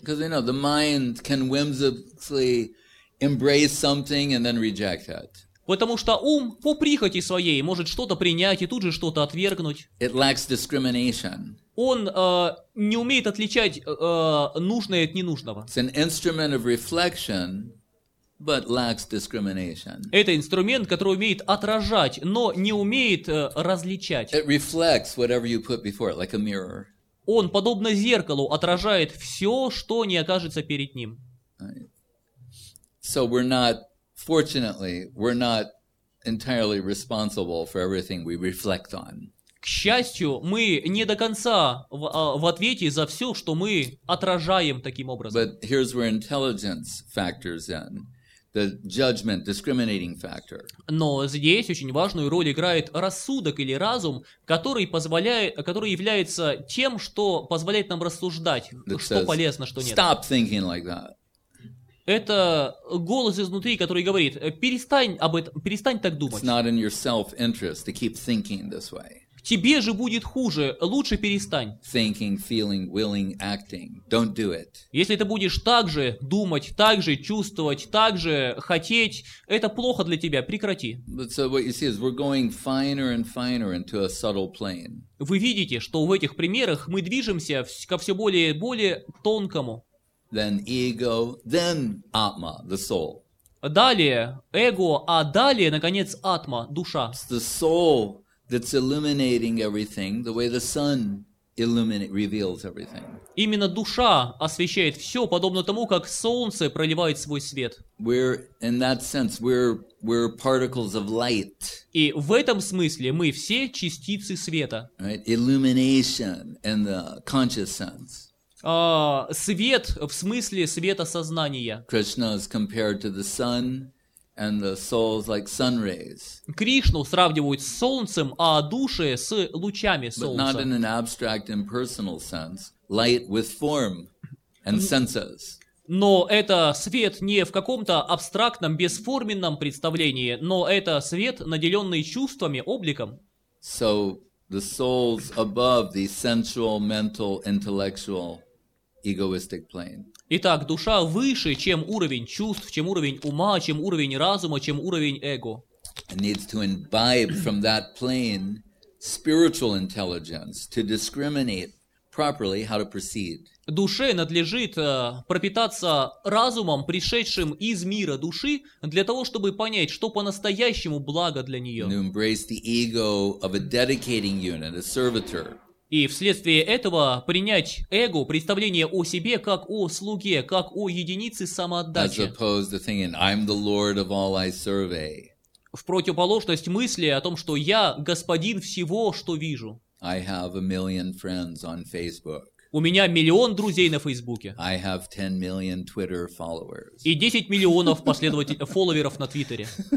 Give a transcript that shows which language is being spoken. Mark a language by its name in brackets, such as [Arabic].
[English] Because, you know, the mind can whimsically embrace something and then reject it. [Russian] Потому что ум по прихоти своей может что-то принять и тут же что-то отвергнуть. [English] It lacks discrimination. [Russian] Он не умеет отличать нужное от ненужного. [English] It's an instrument of reflection. But lacks discrimination. [Russian] Это инструмент, который умеет отражать, но не умеет различать. [English] It reflects whatever you put before it, like a mirror. [Russian] Он подобно зеркалу отражает все, что не окажется перед ним. [English] Right. So we're not, fortunately, we're not entirely responsible for everything we reflect on. [Russian] К счастью, мы не до конца в ответе за все, что мы отражаем таким образом. [English] But here's where intelligence factors in. The judgment, discriminating factor. [Russian] Но здесь очень важную роль играет рассудок или разум, который позволяет, который является тем, что позволяет нам рассуждать, [English] that [Russian] что [English] says, [Russian] полезно, что нет. [English] Stop thinking like that. [Russian] Это голос изнутри, который говорит: перестань об этом, перестань так думать. [English] It's not in your self-interest to keep thinking this way. [Russian] Тебе же будет хуже, лучше перестань. [English] Thinking, feeling, willing, acting. Don't do it. [Russian] Если ты будешь так же думать, так же чувствовать, так же хотеть, это плохо для тебя, прекрати. [English] So what you see is we're going finer and finer into a subtle plane. [Russian] Вы видите, что в этих примерах мы движемся ко все более и более тонкому. [English] Then ego, then atma, the soul. [Russian] Далее эго, а далее, наконец, атма, душа. [English] It's the soul that's illuminating everything, the way the sun illuminates, reveals everything. [Russian] Именно душа освещает все, подобно тому, как солнце проливает свой свет. [English] We're in that sense, we're particles of light. [Russian] И в этом смысле мы все частицы света. [English] Right? Illumination in the conscious sense. [Russian] Свет в смысле света сознания. [English] Krishna is compared to the sun. And the souls like sun rays. [Russian] Кришну сравнивают с солнцем, а души с лучами солнца. [English] But not in an abstract, impersonal sense. Light with form and senses. [Russian] Но это свет не в каком-то абстрактном, бесформенном представлении, но это свет, наделенный чувствами, обликом. [English] So the souls above the sensual, mental, intellectual, egoistic plane. [Russian] Итак, душа выше, чем уровень чувств, чем уровень ума, чем уровень разума, чем уровень эго. [English] It needs to imbibe from that plane spiritual intelligence to discriminate properly how to proceed. [Russian] Душе надлежит пропитаться разумом, пришедшим из мира души, для того, чтобы понять, что по-настоящему благо для нее. [English] And to embrace the ego of a dedicating unit, a servitor. [Russian] И вследствие этого принять эго, представление о себе, как о слуге, как о единице самоотдачи. [English] As opposed to thinking, I'm the Lord of all I survey. [Russian] В противоположность мысли о том, что я господин всего, что вижу. [English] I have a million friends on Facebook. [Russian] У меня миллион друзей на Фейсбуке. [English] I have 10 million Twitter followers. [Russian] И 10 миллионов фолловеров на Твиттере.